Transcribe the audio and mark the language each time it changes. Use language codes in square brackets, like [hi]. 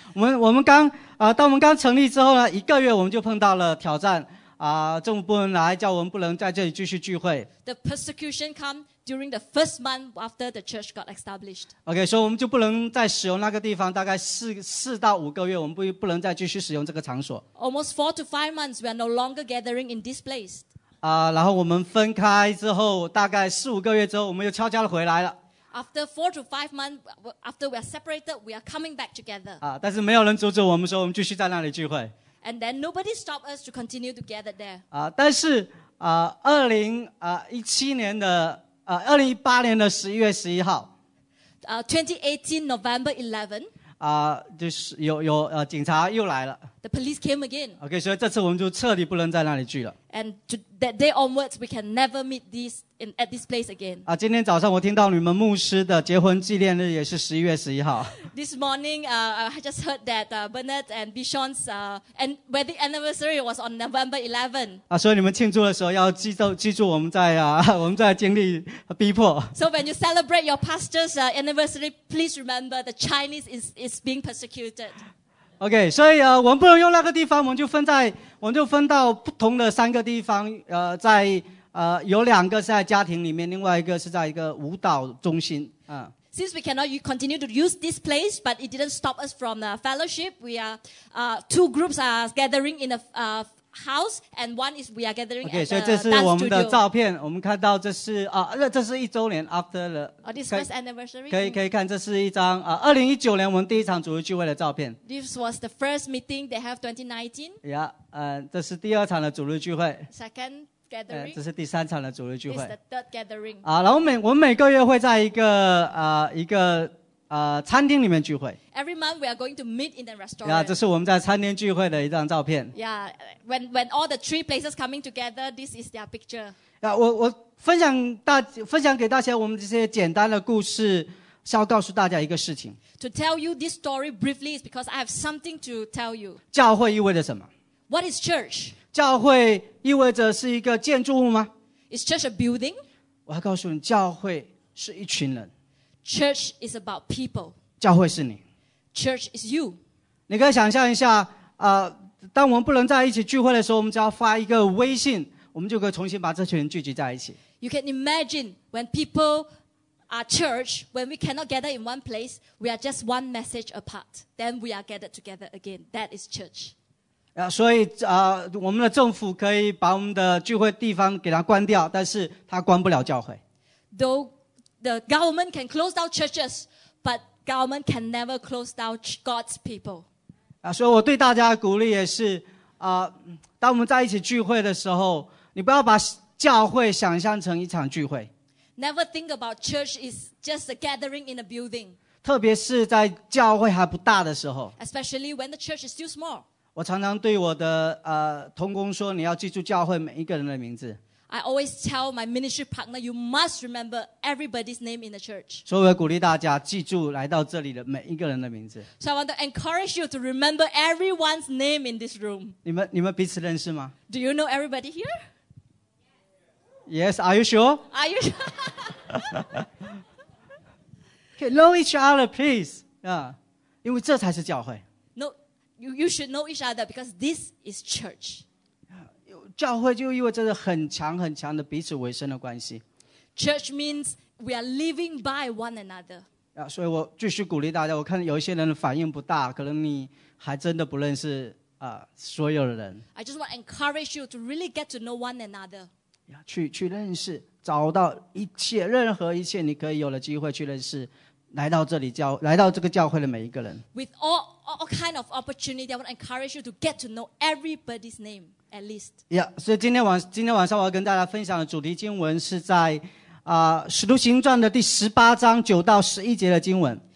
[zh] 我们刚当我们刚成立之后呢，一个月我们就碰到了挑战政府部门来叫我们不能在这里继续聚会。 [en] The persecution come during the first month after the church got established. [zh] OK, 所以我们就不能再使用那个地方，大概四到五个月，我们不能再继续使用这个场所。 [en] Almost 4 to 5 months, we are no longer gathering in this place. [zh] 然后我们分开之后，大概4-5个月之后，我们又悄悄的回来了。 [en] After 4 to 5 months, after we are separated, we are coming back together. [zh] 但是没有人阻止我们说我们继续在那里聚会。 [en] And then nobody stopped us to continue to gather there. [zh] 但是2018年的11月11号。 [en] 2018 November 11. [zh] 就是有警察又来了。 [en] The police came again. [zh] Okay, 所以这次我们就彻底不能在那里聚了。 [en] And to that day onwards, we can never meet these. At this place again. [zh] 今天早上我听到你们牧师的结婚纪念日也是11月11号。 [en] This morning, I just heard that Bernard and Bishon's and wedding anniversary was on November 11. [zh] 所以你们庆祝的时候要记住我们在经历逼迫。 [en] So when you celebrate your pastor's anniversary, please remember the Chinese is being persecuted. [zh] Okay, 所以我们不能用那个地方，我们就分到不同的三个地方，在。有两个是在家庭里面，另外一个是在一个舞蹈中心。 [en] Since we cannot continue to use this place, but it didn't stop us from the fellowship, we are two groups are gathering in a house, and one is we are gathering okay, at the dance studio. [zh] 所以这是我们的照片，我们看到这是这是一周年 [en] after the this first anniversary. [zh] 可以看，这是一张2019年我们第一场主日聚会的照片。 [en] This was the first meeting they have 2019. [zh] Yeah, 这是第二场的主日聚会。 [en] Second. [zh] 这是第三场的主日聚会。 [en] It's the third gathering. [zh] 然后我们每个月会在一个餐厅里面聚会。 [en] Every month we are going to meet in the restaurant. [zh] 这是我们在餐厅聚会的一张照片。 [en] Yeah, when all the three places coming together, this is their picture. [zh] 我分享给大家我们这些简单的故事，是要告诉大家一个事情。 [en] To tell you this story briefly is because I have something to tell you. [zh] 教会意味着什么 [en] ？What is church? [zh] 教会意味着是一个建筑物吗 [en] ？Is church a building? [zh] 我要告诉你，教会是一群人。 [en] Church is about people. [zh] 教会是你。 [en] Church is you. [zh] 你可以想象一下，当我们不能在一起聚会的时候，我们只要发一个微信，我们就可以重新把这群人聚集在一起。 [en] You can imagine when people are church, when we cannot gather in one place, we are just one message apart. Then we are gathered together again. That is church. [zh] 所以我们的政府可以把我们的聚会地方给它关掉，但是它关不了教会。 [en] Though the government can close down churches, but government can never close down God's people. [zh] 所以我对大家的鼓励也是当我们在一起聚会的时候，你不要把教会想象成一场聚会。 [en] Never think about church is just a gathering in a building. [zh] 特别是在教会还不大的时候。 [en] Especially when the church is still small. [zh] 我常常对我的同工说，你要记住教会每一个人的名字。 [en] I always tell my ministry partner, you must remember everybody's name in the church. [zh] 所以我鼓励大家记住来到这里的每一个人的名字。 [en] So I want to encourage you to remember everyone's name in this room. [zh] 你们彼此认识吗 [en] ？Do you know everybody here? Yes. Are you sure? Are you sure? Okay, know each other, please. Yeah, [zh] 因为这才是教会。 [en] You should know each other because this is church. [zh] 教会就意味着很强很强的彼此维生的关系。 [en] Church means we are living by one another. [zh] 所以我继续鼓励大家，我看有一些人的反应不大，可能你还真的不认识所有的人。 [en] I just want to encourage you to really get to know one another. [zh] 去认识，找到一切，任何一切你可以有了机会去认识。来到这个教会的每一个人。 [en] With all kind of opportunity, I want to encourage you to get to know everybody's name at least. [zh] Yeah, 所以今天晚上我要跟大家分享的主题经文是在使徒行传的第十八章九到十一节的经文。